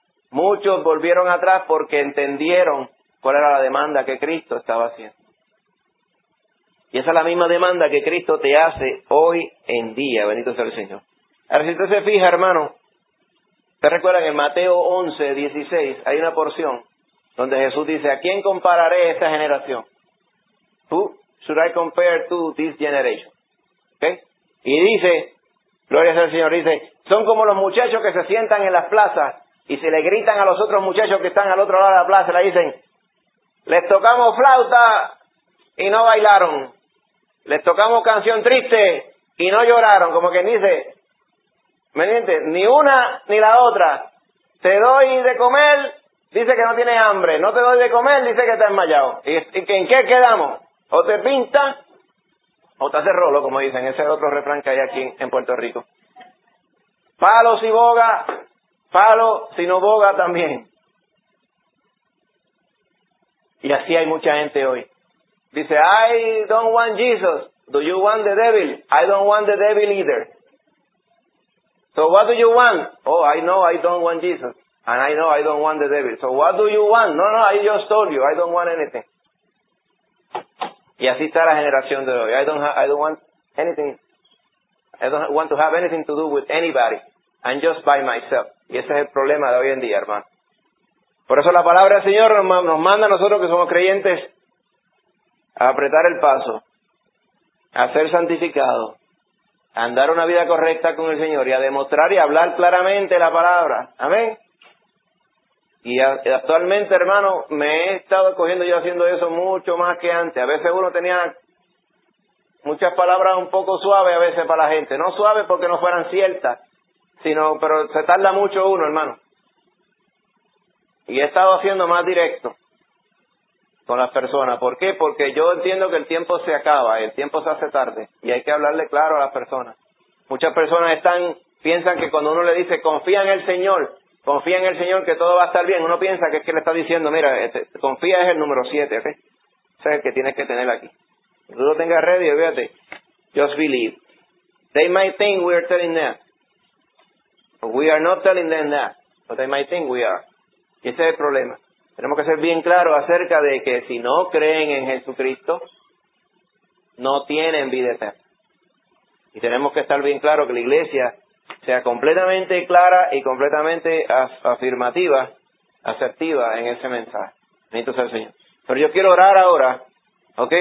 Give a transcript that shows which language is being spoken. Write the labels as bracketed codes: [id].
[es] Muchos volvieron atrás porque entendieron cuál era la demanda que Cristo estaba haciendo. Y esa es la misma demanda que Cristo te hace hoy en día, bendito sea el Señor. Ahora, si usted se fija, hermano, usted recuerda que en Mateo 11, 16, hay una porción donde Jesús dice, ¿a quién compararé esta generación? [en] Who should I compare to this generation? [es] ¿Okay? Y dice, gloria sea al Señor, dice, son como los muchachos que se sientan en las plazas y se le gritan a los otros muchachos que están al otro lado de la plaza, le dicen, les tocamos flauta y no bailaron. Les tocamos canción triste y no lloraron, como quien dice, ¿me entiendes? Ni una ni la otra. Te doy de comer, dice que no tiene hambre. No te doy de comer, dice que está enmayado. ¿Y en qué quedamos? O te pinta, o te hace rolo, como dicen. Ese es otro refrán que hay aquí en Puerto Rico. Palo si boga, palo si no boga también. Y así hay mucha gente hoy. [en] Dice, I don't want Jesus. Do you want the devil? I don't want the devil either. So what do you want? Oh, I know I don't want Jesus. And I know I don't want the devil. So what do you want? No, no, I just told you. I don't want anything. [es] Y así está la generación de hoy. [en] I don't want anything. I don't want to have anything to do with anybody. I'm just by myself. [es] Y ese es el problema de hoy en día, hermano. Por eso la palabra del Señor nos manda a nosotros que somos creyentes a apretar el paso, a ser santificado, a andar una vida correcta con el Señor y a demostrar y hablar claramente la palabra. Amén. Y actualmente, hermano, me he estado cogiendo yo haciendo eso mucho más que antes. A veces uno tenía muchas palabras un poco suaves a veces para la gente. No suaves porque no fueran ciertas, sino, pero se tarda mucho uno, hermano. Y he estado haciendo más directo con las personas. ¿Por qué? Porque yo entiendo que el tiempo se acaba, el tiempo se hace tarde y hay que hablarle claro a las personas. Muchas personas piensan que cuando uno le dice confía en el Señor que todo va a estar bien, uno piensa que es que le está diciendo, mira, confía es el número 7, ¿okay? O sea, el que tienes que tener aquí. Tú lo tengas ready, fíjate, [en] just believe. They might think we are telling them, but we are not telling them that, but they might think we are. [es] Y ese es el problema. Tenemos que ser bien claros acerca de que si no creen en Jesucristo, no tienen vida eterna. Y tenemos que estar bien claros que la iglesia sea completamente clara y completamente afirmativa asertiva en ese mensaje. Bendito sea el Señor. Pero yo quiero orar ahora, ¿ok?